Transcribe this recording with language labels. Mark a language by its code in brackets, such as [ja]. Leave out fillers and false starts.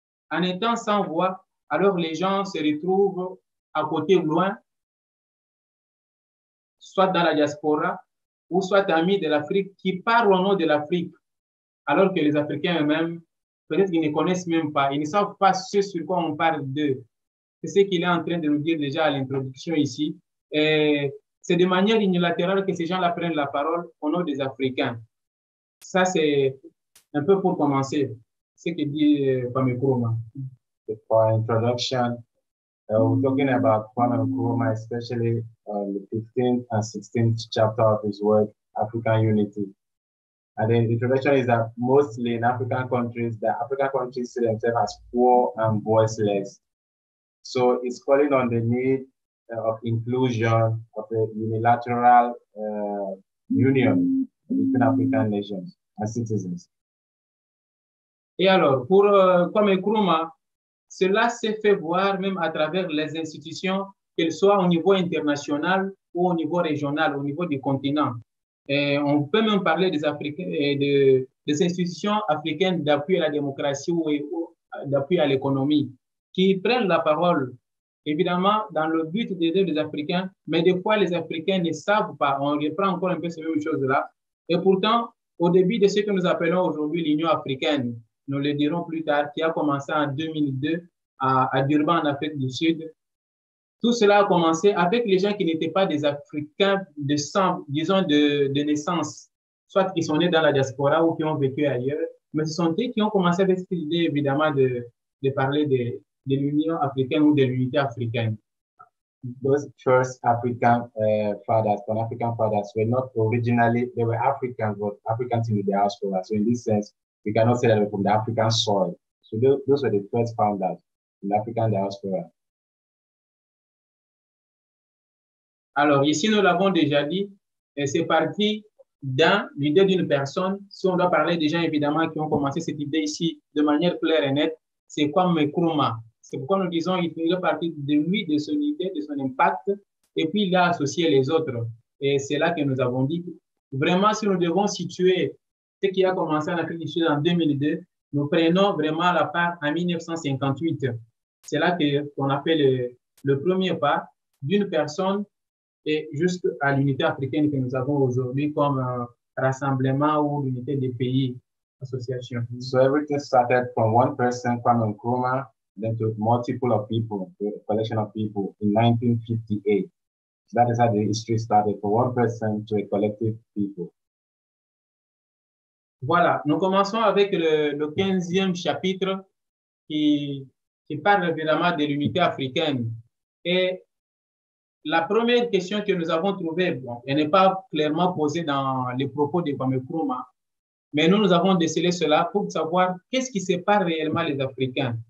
[fr] En étant sans voix, alors les gens se retrouvent à côté ou loin, soit dans la diaspora, ou soit amis de l'Afrique qui parlent au nom de l'Afrique, alors que les Africains eux-mêmes, peut-être qu'ils ne connaissent même pas, ils ne savent pas ce sur quoi on parle d'eux. C'est ce qu'il est en train de nous dire déjà à l'introduction ici. Et c'est de manière unilatérale que ces gens-là prennent la parole au nom des Africains. Ça, c'est un peu pour commencer, ce que dit Kwame [en] For introduction, we're talking about Kwame Nkrumah, especially the 15th and 16th chapter of his work, African Unity. And the introduction is that mostly in African countries, the African countries see themselves as poor and voiceless. So it's calling on the need of inclusion of a unilateral union between African nations and citizens. [fr] Et alors, pour Kwame Nkrumah, cela s'est fait voir même à travers les institutions, qu'elles soient au niveau international ou au niveau régional, au niveau du continent. Et on peut même parler des Africains, des institutions africaines d'appui à la démocratie ou d'appui à l'économie, qui prennent la parole, évidemment, dans le but d'aider les Africains, mais des fois, les Africains ne savent pas. On reprend encore un peu ces mêmes choses-là. Et pourtant, au début de ce que nous appelons aujourd'hui l'Union africaine, nous le dirons plus tard, qui a commencé en 2002 à Durban, en Afrique du Sud. Tout cela a commencé avec les gens qui n'étaient pas des Africains de sang, disons de naissance, soit qui sont nés dans la diaspora ou qui ont vécu ailleurs, mais ce sont eux qui ont commencé avec cette idée, évidemment, de parler de l'Union africaine ou de l'unité africaine. [en] Those first African fathers, Pan-African fathers, were not originally, they were Africans, but Africans in the diaspora. So in this sense, we cannot say that they're from the African soil. So those were the first founders in African diaspora. [fr] Alors, ici, nous l'avons déjà dit, et c'est parti dans l'idée d'une personne. Si on doit parler des gens, évidemment, qui ont commencé cette idée ici de manière claire et nette, c'est Kwame Nkrumah. C'est pourquoi nous disons qu'il est parti de lui, de son idée, de son impact, et puis il a associé les autres. Et c'est là que nous avons dit, vraiment, si nous devons situer ce qui a commencé en Afrique du Sud en 2002, nous prenons vraiment la part en 1958. C'est là qu'on appelle le premier pas d'une personne. Et juste à l'unité africaine que nous avons aujourd'hui comme rassemblement ou l'unité des pays, association. [en] So everything started from one person, Kwame Nkrumah, then to multiple of people, a collection of people in 1958. So that is how the history started from one person to a collective people. [fr] Voilà, nous commençons avec le 15e chapitre qui parle évidemment de l'unité africaine. Et La première question que nous avons trouvée, bon, elle n'est pas clairement posée dans les propos de Kwame Nkrumah, mais nous avons décelé cela pour savoir qu'est-ce qui sépare réellement les Africains.